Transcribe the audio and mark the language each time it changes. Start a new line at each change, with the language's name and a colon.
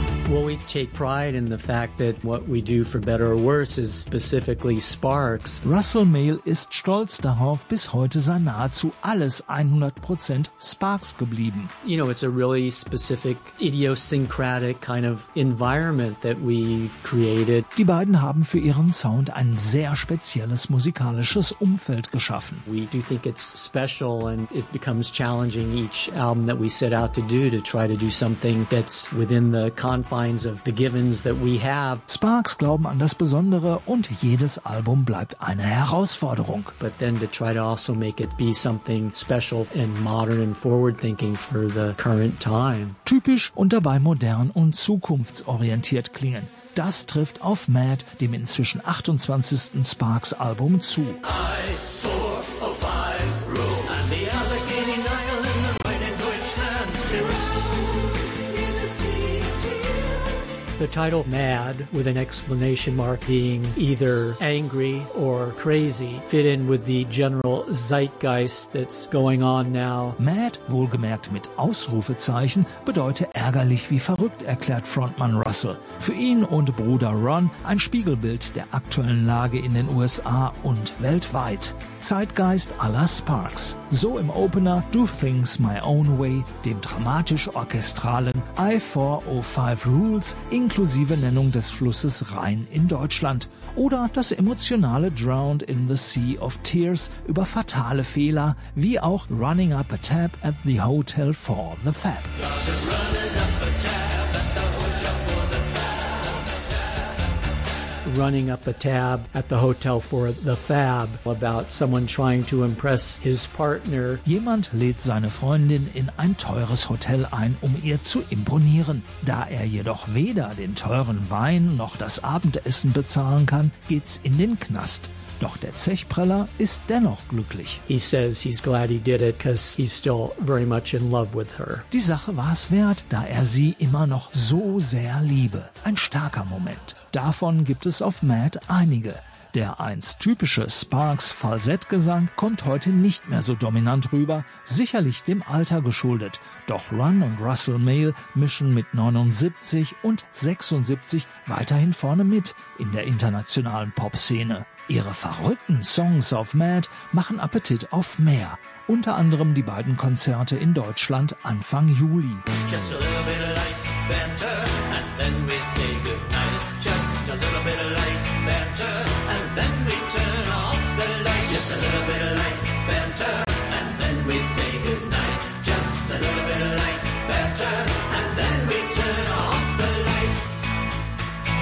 English: Well, we take pride in the fact that what we do for better or worse is specifically Sparks.
German: Russell Mayle ist stolz darauf, bis heute sei nahezu alles 100% Sparks geblieben.
English: You know, it's a really specific idiosyncratic kind of environment that we've created.
German: Die beiden haben für ihren Sound ein sehr spezielles musikalisches Umfeld geschaffen.
English: We do think it's special and it becomes challenging each album that we set out to do something that's within the confines confines of the givens that we have.
German: Sparks glauben an das Besondere und jedes Album bleibt eine Herausforderung.
English: But then to try to also make it be something special and modern and forward-thinking for the current time.
German: Typisch und dabei modern und zukunftsorientiert klingen. Das trifft auf Mad, dem inzwischen 28. Sparks-Album, zu.
English: The title Mad, with an exclamation mark being either angry or crazy, fit in with the general zeitgeist that's going on now.
German: Mad, wohlgemerkt mit Ausrufezeichen, bedeutet ärgerlich wie verrückt, erklärt Frontmann Russell. Für ihn und Bruder Ron ein Spiegelbild der aktuellen Lage in den USA und weltweit. Zeitgeist à la Sparks. So im Opener Do Things My Own Way, dem dramatisch-orchestralen I-405 Rules, inklusive Nennung des Flusses Rhein in Deutschland. Oder das emotionale Drowned in the Sea of Tears über fatale Fehler, wie auch Running Up a Tab at the Hotel for the Fab.
English: Running up a tab at the hotel for the fab about someone trying to impress his partner.
German: Jemand lädt seine Freundin in ein teures Hotel ein, um ihr zu imponieren. Da er jedoch weder den teuren Wein noch das Abendessen bezahlen kann, geht's in den Knast. Doch der Zechpreller ist dennoch glücklich.
English: He says he's glad he did it, 'cause he's still very much in love with her.
German: Die Sache war es wert, da er sie immer noch so sehr liebe. Ein starker Moment. Davon gibt es auf Mad einige. Der einst typische Sparks-Falsettgesang kommt heute nicht mehr so dominant rüber, sicherlich dem Alter geschuldet. Doch Ron und Russell Mayall mischen mit 79 und 76 weiterhin vorne mit in der internationalen Popszene. Ihre verrückten Songs auf Mad machen Appetit auf mehr. Unter anderem die beiden Konzerte in Deutschland Anfang Juli.
English: Just a little bit of light banter, and then we say goodnight. Just a little bit of light banter, and then we turn off the light. Just a little bit of light banter, and then we say goodnight. Just a little bit of light banter, and then we turn off the light.